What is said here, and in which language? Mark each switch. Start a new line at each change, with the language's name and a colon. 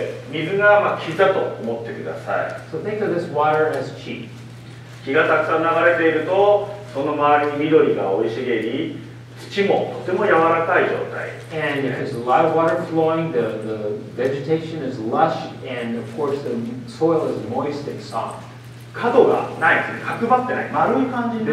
Japanese: 水がまあ気だと思ってください。
English: So think of this water as qi.
Japanese: 気がたくさん流れているとその周りに緑が生い茂り、土もとても柔らかい状態。
English: And if there's a lot of water flowing, the vegetation is lush, and of course the soil is moist and soft.
Japanese: 角がない、角張ってない、丸い感じにな